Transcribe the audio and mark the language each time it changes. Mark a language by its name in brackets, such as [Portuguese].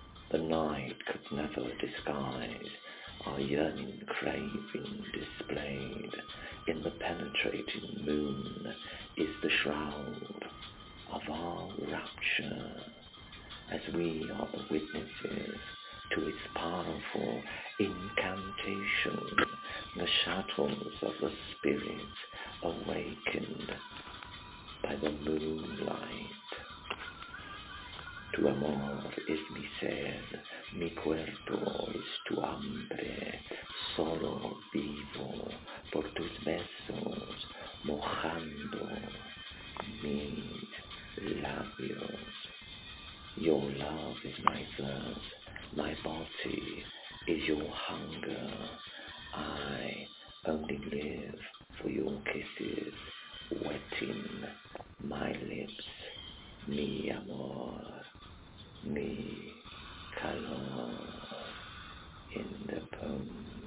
[English] The night could never disguise our yearning craving displayed in the penetrating moon is the shroud of our rapture, as we are the witnesses to its powerful incantation. The shadows of the spirit awakened by the moonlight. [Spanish] Tu amor es mi ser, mi cuerpo es tu hambre, solo vivo por tus besos mojando mis labios. [English] Your love is my thirst, my body is your hunger. I only live for your kisses, wetting my lips. [Spanish] Mi amor, mi calor [English] in the poem.